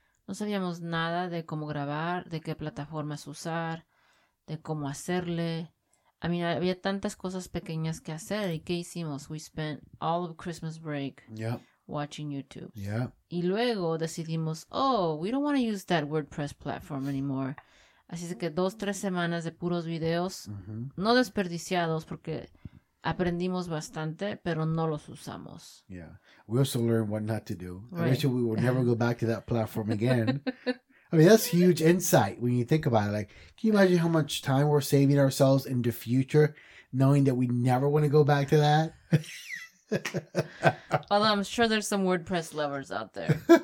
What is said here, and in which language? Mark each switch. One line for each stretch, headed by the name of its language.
Spanish: No sabíamos nada de cómo grabar, de qué plataformas usar, de cómo hacerle.
English: I mean,
Spanish: había tantas cosas pequeñas que hacer. ¿Y qué hicimos?
English: We spent all of Christmas break, yep, watching YouTube. Yeah.
Spanish: Y luego decidimos,
English: oh, we don't want to use that WordPress platform anymore.
Spanish: Así es que 2-3 semanas de puros videos, mm-hmm, no desperdiciados porque aprendimos bastante, pero no los usamos.
English: Yeah. We also learned what not to do. Right. Eventually, we will never go back to that platform again. I mean, that's huge insight when you think about it. Like, can you imagine how much time we're saving ourselves in the future knowing that we never want to go back to that? Although I'm sure there's some WordPress lovers out there.